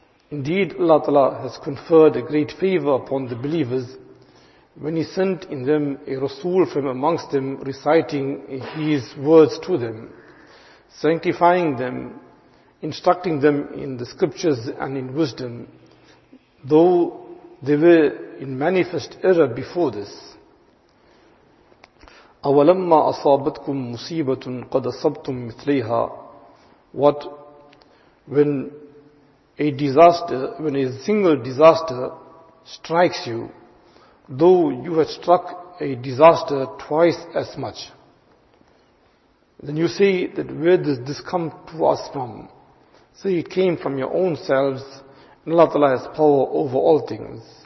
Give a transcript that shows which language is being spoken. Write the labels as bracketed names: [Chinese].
[English] Indeed, Allah Ta'ala has conferred a great favor upon the believers when he sent in them a Rasul from amongst them, reciting his words to them, sanctifying them, instructing them in the scriptures and in wisdom, though they were in manifest error before this. [Arabic] أَوَلَمَّا أَصَابَتْكُمْ مُصِيبَةٌ قَدْ أَصَبْتُمْ مِثْلَيْهَا [English] What? When a disaster, when a single disaster strikes you, though you had struck a disaster twice as much. Then you say that where does this come to us from? Say it came from your own selves, and Allah Ta'ala has power over all things.